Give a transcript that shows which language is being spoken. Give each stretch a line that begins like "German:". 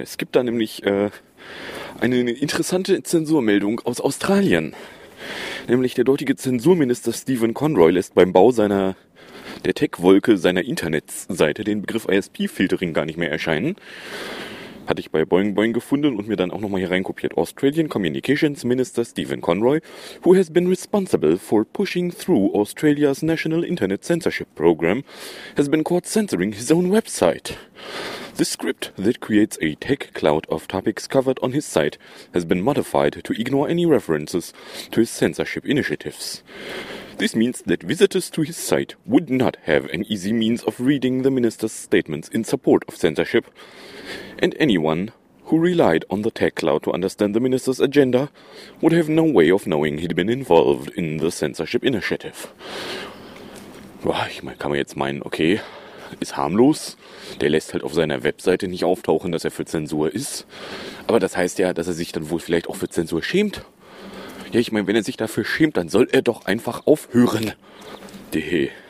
German: Es gibt da nämlich eine interessante Zensurmeldung aus Australien. Nämlich der dortige Zensurminister Stephen Conroy lässt beim Bau der Tech-Wolke seiner Internetseite den Begriff ISP-Filtering gar nicht mehr erscheinen. Hatte ich bei Boing Boing gefunden und mir dann auch nochmal hier reinkopiert.
English: Australian Communications Minister Stephen Conroy, who has been responsible for pushing through Australia's National Internet Censorship Program, has been caught censoring his own website. The script that creates a tech cloud of topics covered on his site has been modified to ignore any references to his censorship initiatives. This means that visitors to his site would not have an easy means of reading the minister's statements in support of censorship, and anyone who relied on the tech cloud to understand the minister's agenda would have no way of knowing he'd been involved in the censorship initiative.
German: Boah, ich meine, kann man jetzt meinen, okay, ist harmlos, der lässt halt auf seiner Webseite nicht auftauchen, dass er für Zensur ist, aber das heißt ja, dass er sich dann wohl vielleicht auch für Zensur schämt. Ja, ich meine, wenn er sich dafür schämt, dann soll er doch einfach aufhören. Dehe.